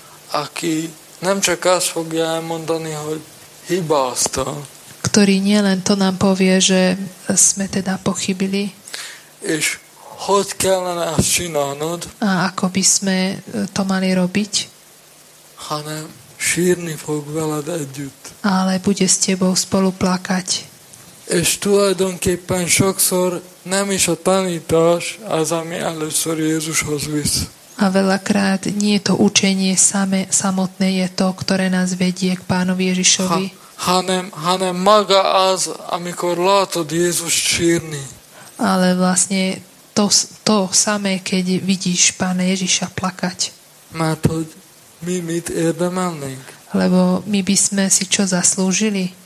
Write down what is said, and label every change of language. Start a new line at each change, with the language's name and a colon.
Hungarian: Aki nem csak azt fogja elmondani, hogy hibáztam.
Slovak: Ktorý nielen to nám povie, že sme teda pochybili.
Hungarian: És hogy kellene ezt csinálnod?
Slovak: A ako by sme to mali robiť?
Hungarian: Hanem sírni fog veled együtt.
Slovak: Ale bude s tebou spolu plakať.
Hungarian: És tulajdonképpen sokszor nem is a tanítás az, ami először Jézushoz visz.
Slovak: A veľakrát nie je to učenie samotné, je to, ktoré nás vedie k Pánovi Ježišovi.
Hungarian: Hanem maga az, amikor látod Jézus sírni.
Slovak: Ale vlastne to samé, keď vidíš Pána Ježiša plakať.
Hungarian: Mert hogy mi mit érdemelnénk?
Slovak: Lebo my by sme si čo zaslúžili?